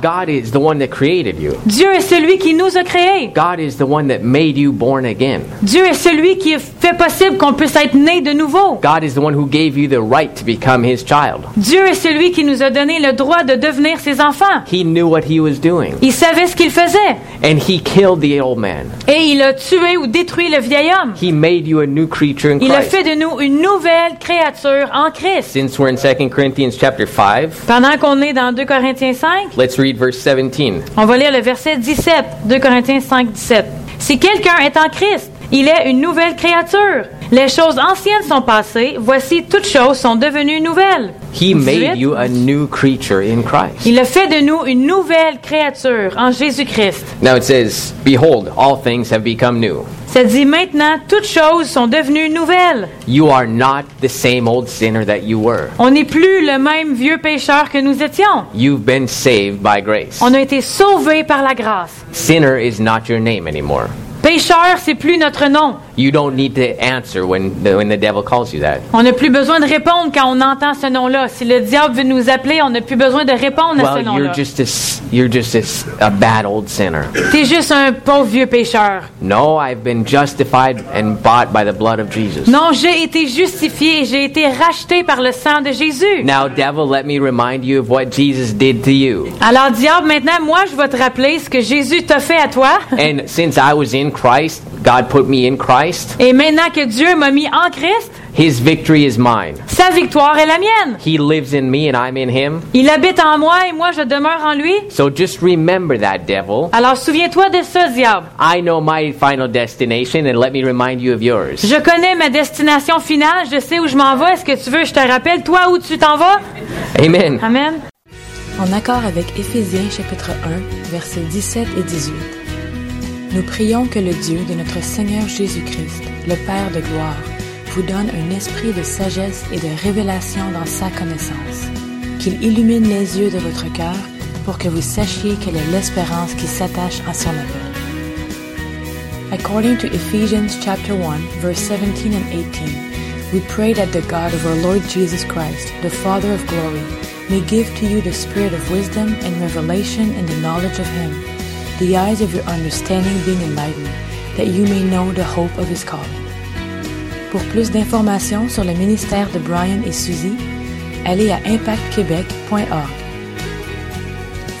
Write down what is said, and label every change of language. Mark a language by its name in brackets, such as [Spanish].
[English] God is the one that created you. [French] Dieu est celui qui nous a créés. [English] God is the one that made you born again. [French] Dieu est celui qui fait possible qu'on puisse être né de nouveau. [English] God is the one who gave you the right to become his child. [French] Dieu est celui qui nous a donné le droit de devenir ses enfants. [English] He knew what he was doing. [French] Il savait ce qu'il faisait. [English] And he killed the old man. [French] Et il a tué ou détruit le vieil homme. [English] He made you a new creature in Christ. [French] Il a fait de nous une nouvelle créature en Christ. [English] Since we're in 2 Corinthians chapter 5. [French] Pendant qu'on est dans 2 Corinthiens 5. [English] Let's read verse 17. [French] On va lire le verset 17, 2 Corinthiens 5, 17. Si quelqu'un est en Christ, il est une nouvelle créature. Les choses anciennes sont passées. Voici, toutes choses sont devenues nouvelles. [English] He made you a new creature in Christ. [French] Il a fait de nous une nouvelle créature en Jésus-Christ. [English] Now it says, behold, all things have become new. [French] Ça dit, maintenant, toutes choses sont devenues nouvelles. [English] You are not the same old sinner that you were. [French] On n'est plus le même vieux pécheur que nous étions. [English] You've been saved by grace. [French] On a été sauvés par la grâce. [English] Sinner is not your name anymore. [French] Pécheur, c'est plus notre nom. [English] You don't need to answer when the devil calls you that. [French] On n'a plus besoin de répondre quand on entend ce nom-là. Si le diable veut nous appeler, on n'a plus besoin de répondre [English] well, [French] à ce nom-là. [English] You're just a bad old sinner. [French] T'es juste un pauvre vieux pécheur. [English] No, I've been justified and bought by the blood of Jesus. [French] Non, j'ai été justifié, j'ai été racheté par le sang de Jésus. [English] Now, devil, let me remind you of what Jesus did to you. [French] Alors, diable, maintenant, moi, je vais te rappeler ce que Jésus t'a fait à toi. [English] And since I was in Christ, God put me in Christ. [French] Et maintenant que Dieu m'a mis en Christ, [English] his victory is mine. [French] Sa victoire est la mienne. [English] He lives in me and I'm in him. [French] Il habite en moi et moi je demeure en lui. [English] So just remember that, devil. [French] Alors souviens-toi de ça, diable. [English] I know my final destination and let me remind you of yours. [French] Je connais ma destination finale, je sais où je m'en vais. Est-ce que tu veux que je te rappelle toi où tu t'en vas? [English] Amen. [French] Amen. En accord avec Éphésiens chapitre 1, versets 17 et 18. Nous prions que le Dieu de notre Seigneur Jésus-Christ, le Père de gloire, vous donne un esprit de sagesse et de révélation dans sa connaissance, qu'il illumine les yeux de votre cœur pour que vous sachiez quelle est l'espérance qui s'attache à son appel. [English] According to Ephesians chapter 1, verse 17 and 18, we pray that the God of our Lord Jesus Christ, the Father of glory, may give to you the spirit of wisdom and revelation in the knowledge of him, the eyes of your understanding being enlightened, that you may know the hope of his calling. [French] Pour plus d'informations sur le ministère de Brian et Suzy, allez à impactquebec.org.